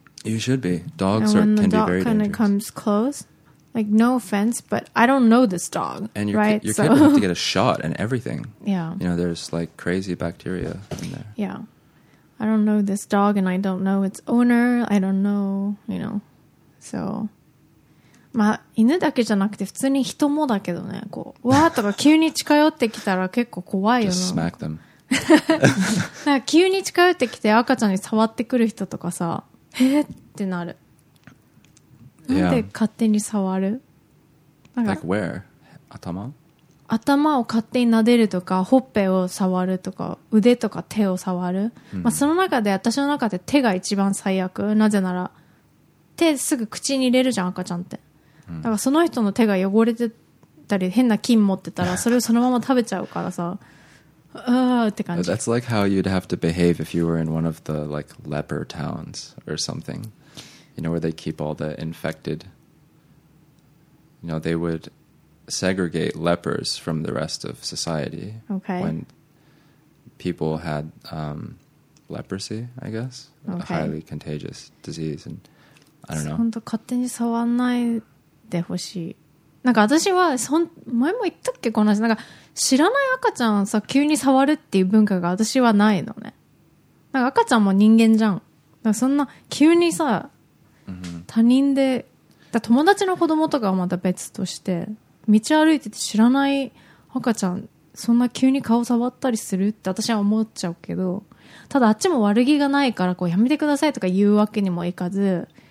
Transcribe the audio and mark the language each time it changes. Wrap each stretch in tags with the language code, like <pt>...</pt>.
<en>You should be. Dogs are, can dog be very dangerous. And when the dog comes close, like no offense, but I don't know this dog. And right? your kid would have to get a shot and everything. Yeah. You know, there's like crazy bacteria in there. Yeah. I don't know this dog and I don't know its owner. I don't know, you know. So...</en> <ja>まあ、犬だけじゃなくて普通に人もだけどね、こう、わーとか急に近寄ってきたら結構怖いよな。</ja> <en>Just smack them.</en> <ja>なんか急に近寄ってきて赤ちゃんに触ってくる人とかさ、へーってなる。なんで勝手に触る、</ja> <en>yeah.</en> <ja>なんか</ja> <en>Like where?</en> <ja>頭？頭を勝手に撫でるとか、ほっぺを触るとか、腕とか手を触る。</ja> <en>Mm-hmm.</en> <ja>まあその中で私の中で手が一番最悪。なぜなら、手すぐ口に入れるじゃん、赤ちゃんって。だからその人の手が汚れてたり変な菌持ってたらそれをそのまま食べちゃうからさ、って感じ。</ja> <en>That's like how you'd have to behave if you were in one of the like leper towns or something. You know where they keep all the infected. You know they would segregate lepers from the rest of society. Okay. When people had leprosy, I guess, okay. a highly contagious disease, and I don't know.</en> <ja>本当勝手に触んない。でほしい。なんか私は前も言ったっけこの話、なんか知らない赤ちゃんをさ急に触るっていう文化が私はないのね。なんか赤ちゃんも人間じゃん。だからそんな急にさ、</ja> <en>mm-hmm.</en> <ja>他人で、だ友達の子供とかはまた別として、道歩いてて知らない赤ちゃんそんな急に顔触ったりするって私は思っちゃうけど、ただあっちも悪気がないからこうやめてくださいとか言うわけにもいかず。</ja>